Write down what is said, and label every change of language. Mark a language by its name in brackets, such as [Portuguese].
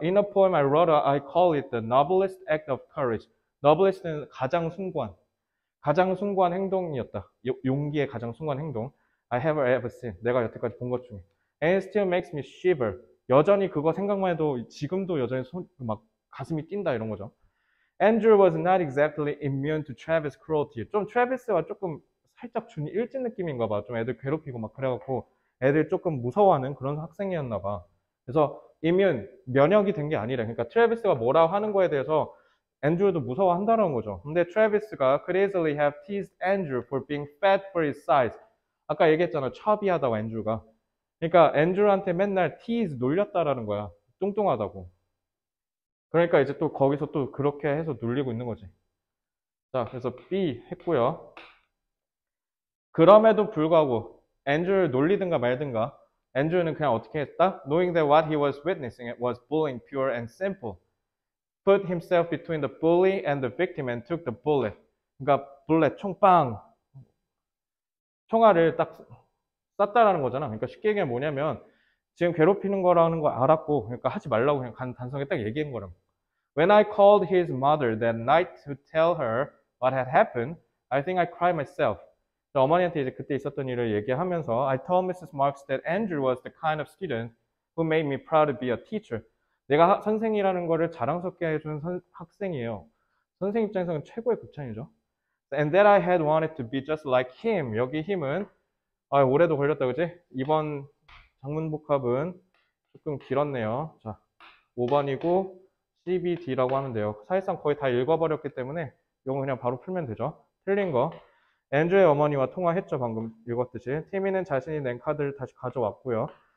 [English] In a poem I wrote, I call it the noblest act of courage. [Korean] Noblest는 가장 숭고한. 가장 숭고한 행동이었다. 용기의 가장 숭고한 행동. [English] I have ever seen. [Korean] 내가 여태까지 본것 중에. [English] And it still makes me shiver. [Korean] 여전히 그거 생각만 해도 지금도 여전히 막 가슴이 뛴다 이런 거죠. [English] Andrew was not exactly immune to Travis' cruelty. [Korean] 좀 트래비스와 조금 살짝 준이 일진 느낌인가 봐. 좀 애들 괴롭히고 막 그래갖고 애들 조금 무서워하는 그런 학생이었나 봐. 그래서 immune, 면역이 된게 아니라 그러니까 트래비스가 뭐라고 하는 거에 대해서 앤드류도 무서워한다는 거죠. 근데 트래비스가 [English] could easily have teased Andrew for being fat for his size. [Korean] 아까 얘기했잖아. 처비하다고 앤드류가. 그러니까 앤드류한테 맨날 tease 놀렸다라는 거야. 뚱뚱하다고. 그러니까 이제 또 거기서 또 그렇게 해서 놀리고 있는 거지. 자, 그래서 B 했고요. 그럼에도 불구하고 앤드류를 놀리든가 말든가 앤드류는 그냥 어떻게 했다? [English] Knowing that what he was witnessing was bullying pure and simple. Put himself between the bully and the victim and took the bullet. [Korean] 그러니까 bullet, 총빵. 총알을 딱 쐈다라는 거잖아. 그러니까 쉽게 얘기하면 뭐냐면 지금 괴롭히는 거라는 거 알았고 그러니까 하지 말라고 그냥 단성에 딱 얘기한 거라고. [English] When I called his mother that night to tell her what had happened, I think I cried myself. [Korean] 어머니한테 이제 그때 있었던 일을 얘기하면서 [English] I told Mrs. Marks that Andrew was the kind of student who made me proud to be a teacher. [Korean] 내가 선생이라는 거를 자랑스럽게 해준 학생이에요. 선생 입장에서는 최고의 극찬이죠. [English] And that I had wanted to be just like him. [Korean] 여기 him은 올해도 걸렸다 그지? 이번 장문 복합은 조금 길었네요. 자, 5번이고 CBD라고 하면 돼요. 사실상 거의 다 읽어버렸기 때문에 이거 그냥 바로 풀면 되죠. 틀린 거. 앤드류의 어머니와 통화했죠, 방금 읽었듯이. 티미는 자신이 낸 카드를 다시 가져왔고요.